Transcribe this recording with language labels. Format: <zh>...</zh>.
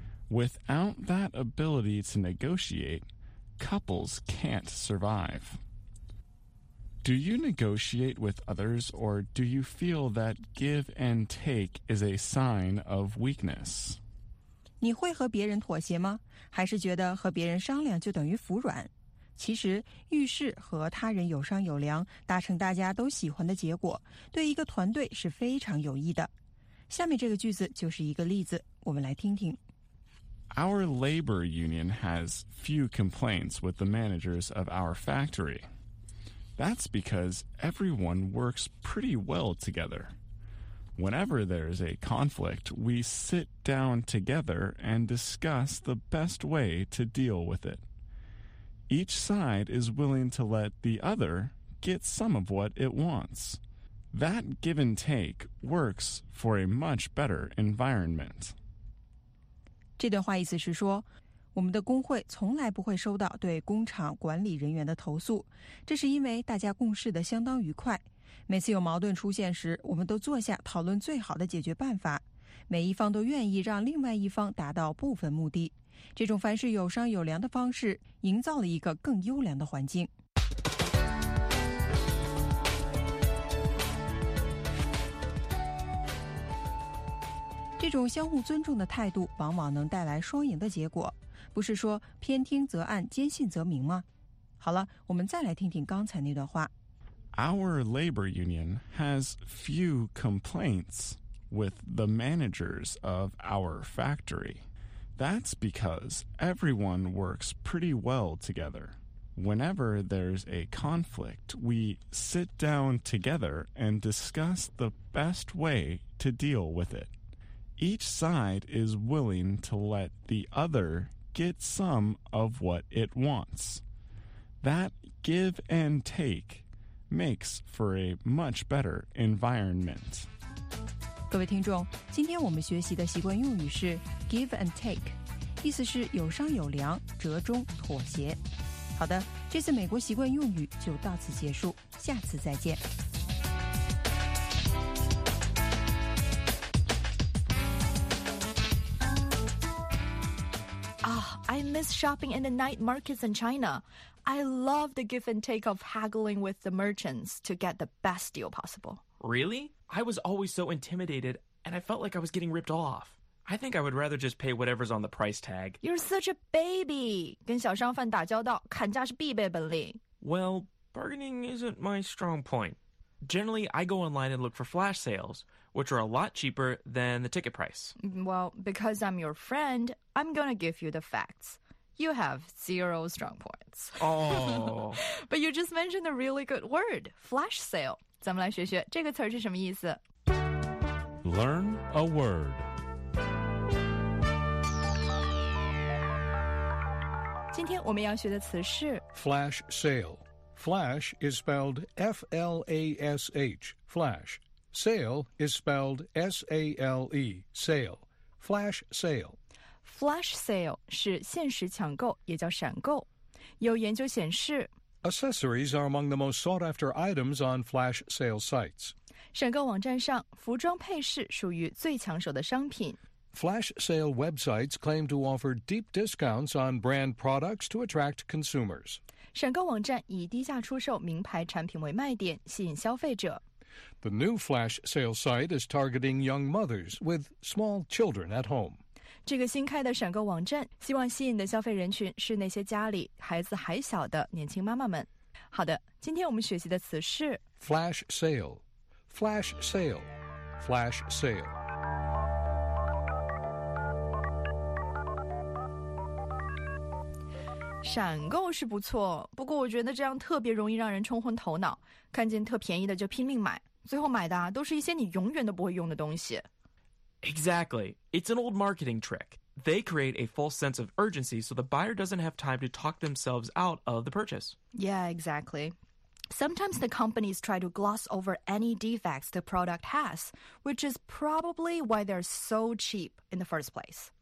<en>Without that ability to negotiate, couples can't survive. Do you negotiate with others, or do you feel that give and take is a sign of weakness?</en> <zh>你会和别人妥协吗？还是觉得和别人商量就等于服软？其实，遇事和他人有商有量，达成大家都喜欢的结果，对一个团队是非常有益的。下面这个句子就是一个例子，我们来听听。</zh> <en>Our labor union has few complaints with the managers of our factory. That's because everyone works pretty well together. Whenever there's a conflict, we sit down together and discuss the best way to deal with it. Each side is willing to let the other get some of what it wants. That give and take works for a much better environment.</en> <zh>这段话意思是说，我们的工会从来不会收到对工厂管理人员的投诉，这是因为大家共事的相当愉快。每次有矛盾出现时，我们都坐下讨论最好的解决办法，每一方都愿意让另外一方达到部分目的。这种凡事有商有量的方式，营造了一个更优良的环境。这种相互尊重的态度往往能带来双赢的结果，不是说偏听则暗，坚信则明吗？好了，我们再来听听刚才那段话。 Our labor union has few complaints with the managers of our factory. That's because everyone works pretty well together. Whenever there's a conflict, we sit down together and discuss the best way to deal with it. Each side is willing to let the other get some of what it wants. That give and take makes for a much better environment. 各位听众，今天我们学习的习惯用语是 give and take， 意思是有商有量，折中妥协。好的，这次美国习惯用语就到此结束，下次再见。</zh> <en>I miss shopping in the night markets in China. I love the give and take of haggling with the merchants to get the best deal possible. Really? I was always so intimidated, and I felt like I was getting ripped off. I think I would rather just pay whatever's on the price tag. You're such a baby!</en> <zh>跟小商贩打交道，砍价是必备本领。</zh> <en>Well, bargaining isn't my strong point. Generally, I go online and look for flash sales,which are a lot cheaper than the ticket price. Well, because I'm your friend, I'm going to give you the facts. You have zero strong points. Oh. But you just mentioned a really good word, flash sale.</en> <zh>咱们来学学这个词儿是什么意思。</zh> <en>Learn a word.</en> <zh>今天我们要学的词是</zh> <en>flash sale. Flash is spelled F-L-A-S-H, flash. Sale is spelled S-A-L-E, sale, flash sale.</en> <zh>Flash sale 是限时抢购，也叫闪购。有研究显示</zh> <en>，Accessories are among the most sought after items on flash sale sites.</en> <zh>闪购网站上，服装配饰属于最抢手的商品。</zh> <en>flash sale websites claim to offer deep discounts on brand products to attract consumers.</en> <zh>选购网站以低价出售名牌产品为卖点，吸引消费者。</zh> <en>The new flash sale site is targeting young mothers with small children at home.</en> <zh>这个新开的闪购网站希望吸引的消费人群是那些家里孩子还小的年轻妈妈们。好的，今天我们学习的词是</zh> <en>flash sale, flash sale, flash sale.</en> <zh>闪购是不错，不过我觉得这样特别容易让人冲昏头脑，看见特便宜的就拼命买，最后买的都是一些你永远都不会用的东西。</zh> <en>Exactly. It's an old marketing trick. They create a false sense of urgency so the buyer doesn't have time to talk themselves out of the purchase. Yeah, exactly. Sometimes the companies try to gloss over any defects the product has, which is probably why they're so cheap in the first place.</en>